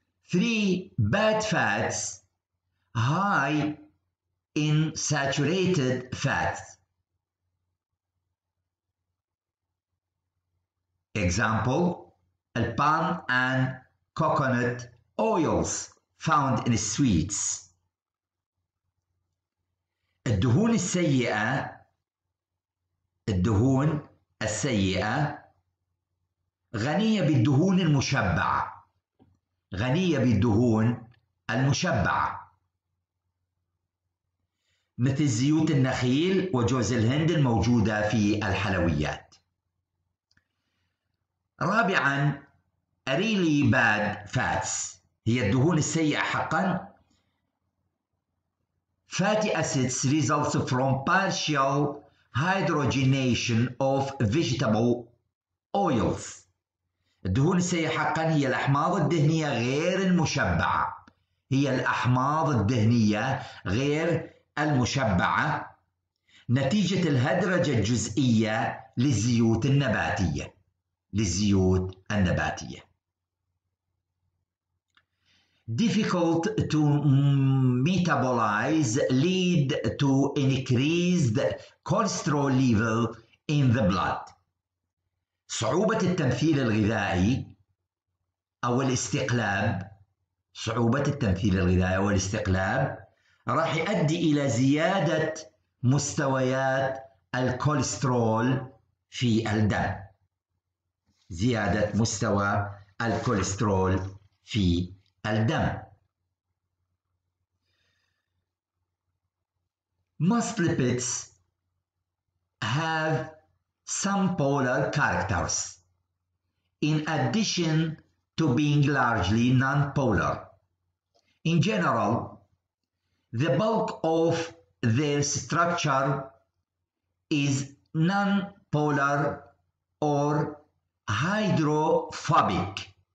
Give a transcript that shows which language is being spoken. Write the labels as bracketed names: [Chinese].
[English] Three bad fats high in saturated fats. Example, palm and coconut oils found in sweets. [Arabic] الدهون السيئة الدهون السيئة غنية بالدهون المشبعة غنية بالدهون المشبعة مثل زيوت النخيل وجوز الهند الموجودة في الحلويات. رابعاً [English] really bad fats [Arabic] هي الدهون السيئة حقاً. [English] Fatty acids results from partial hydrogenation of vegetable oils. [Arabic] الدهون السيئة حقاً هي الأحماض الدهنية غير المشبعة. هي الأحماض الدهنية غير المشبعة نتيجة الهدرجة الجزئية للزيوت النباتية. للزيوت النباتية. [English] Difficult to metabolize lead to increased cholesterol level in the blood. [Arabic] صعوبة التمثيل الغذائي أو الاستقلاب صعوبة التمثيل الغذائي والاستقلاب راح يؤدي إلى زيادة مستويات الكوليسترول في الدم. زيادة مستوى الكوليسترول في الدم. [English] Most lipids have some polar characters in addition to being largely non-polar. In general, the bulk of their structure is non-polar or hydrophobic.